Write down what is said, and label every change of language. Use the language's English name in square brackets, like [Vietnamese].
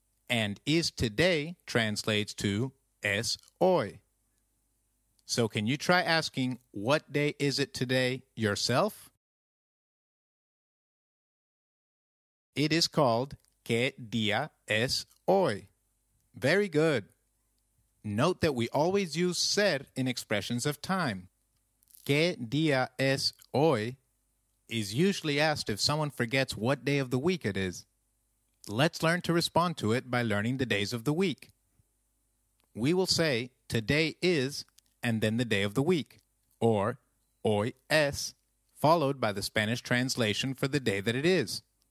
[English] And is today translates to [Spanish] ¿Es hoy? [English] So can you try asking what day is it today yourself? It is called [Spanish] ¿Qué día es hoy? [English] Very good. Note that we always use ser in expressions of time. [Spanish] ¿Qué día es hoy? [English] Is usually asked if someone forgets what day of the week it is. Let's learn to respond to it by learning the days of the week. We will say, today is, and then the day of the week, or [Spanish] hoy es, [English] followed by the Spanish translation for the day that it is.